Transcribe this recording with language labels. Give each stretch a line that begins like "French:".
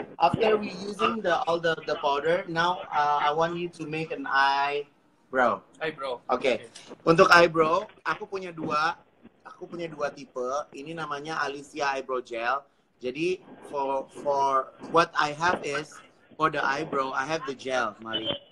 English: After we using all the powder, now I want you to make an eyebrow. Eyebrow. Okay.
Indonesian: Untuk eyebrow, aku punya dua tipe. Ini namanya Alicia Eyebrow Gel. Jadi
English: for what I have is for the eyebrow, I have the gel, Mali.